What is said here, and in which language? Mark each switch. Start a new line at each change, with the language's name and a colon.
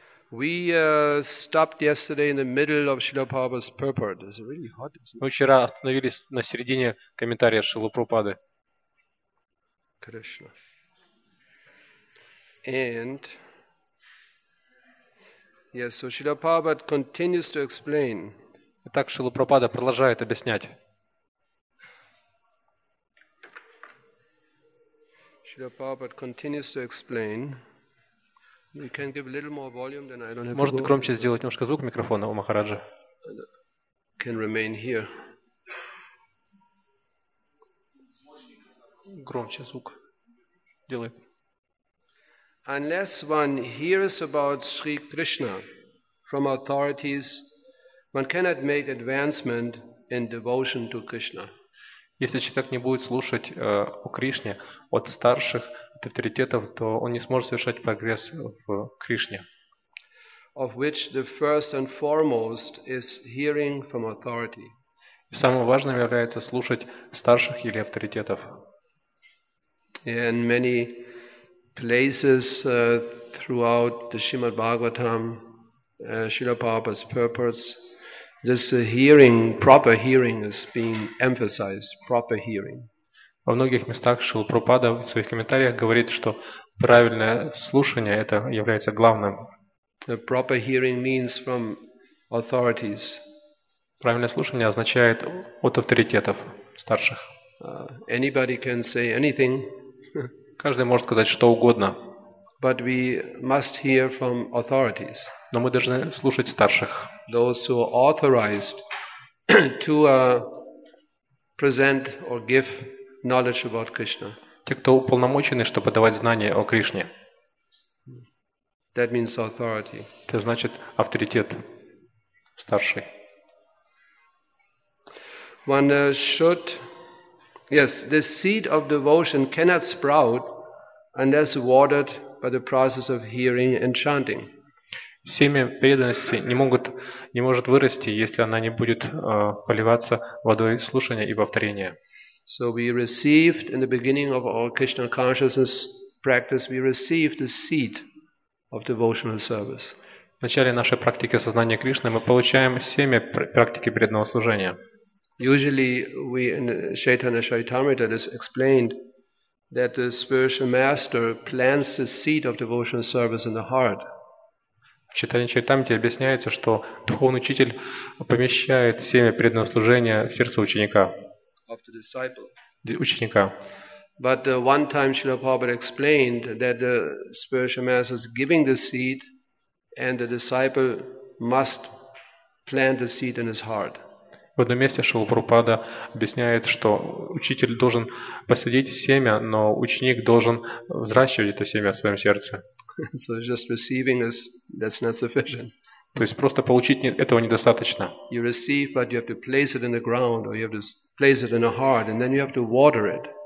English: We stopped yesterday in the middle of Srila Prabhupada's purport. It's really hot.
Russian: Мы вчера остановились на середине комментария Шрилы Прабхупады. Krishna.
English: And yes, so Srila Prabhupada continues to explain.
Russian: Итак, Шрила Прабхупада продолжает объяснять.
English: Srila Prabhupada continues to explain. You can give a little more volume, then I don't have.
Russian: Может,
English: to go
Russian: громче on. Сделать немножко звук микрофона у Махараджа?
English: Can remain here.
Russian: Громче звук. Делай.
English: Unless one hears about Sri Krishna from authorities, one cannot make advancement in devotion to Krishna.
Russian: Если человек не будет слушать о Кришне от старших авторитетов, то он не сможет совершать прогресс в Кришне.
English: Of which the first and foremost is hearing from authority.
Russian: И самым важным является слушать старших или авторитетов.
English: In many places throughout the Srimad Bhagavatam, Srila Prabhupada's purports, this hearing, proper hearing, is being emphasized. Proper hearing.
Russian: Во многих местах Шрила Прабхупада в своих комментариях говорит, что правильное слушание это является главным.
English: The proper hearing means from authorities.
Russian: Правильное слушание означает от авторитетов старших.
English: Anybody can say anything.
Russian: Каждый может сказать что угодно.
English: But we must hear from authorities.
Russian: Но мы должны слушать старших.
English: Those who are authorized to present or give knowledge about Krishna.
Russian: Те, кто уполномочены, чтобы давать знания о Кришне.
English: That means authority.
Russian: Это значит авторитет старший.
English: One should, yes, the seed of devotion cannot sprout unless watered by the process of hearing and chanting.
Russian: Семя преданности не может вырасти, если она не будет поливаться водой слушания и повторения.
English: So we received in the beginning of our Krishna consciousness practice, we received the seed of devotional service.
Russian: В начале нашей практики сознания Кришны мы получаем семя практики преданного служения.
English: Usually we in Chaitanya Charitamrita is explained that the spiritual master plants the seed of devotional service in the heart.
Russian: В Чайтанья Чаритамрите объясняется, что духовный учитель помещает семя преданного служения в сердце ученика.
English: Of the disciple.
Russian: Ученика.
English: But one time Srila Prabhupada explained that the spiritual master is giving the seed and the disciple must plant the seed in his heart.
Russian: В одном месте Шрила Прабхупада объясняет, что учитель должен посадить семя, но ученик должен взращивать это семя в своем сердце.
English: So just receiving is, that's not sufficient.
Russian: То есть просто получить этого недостаточно.
English: You receive, but you have to place it in the ground, or you have to place it in a heart, and then you have to water it.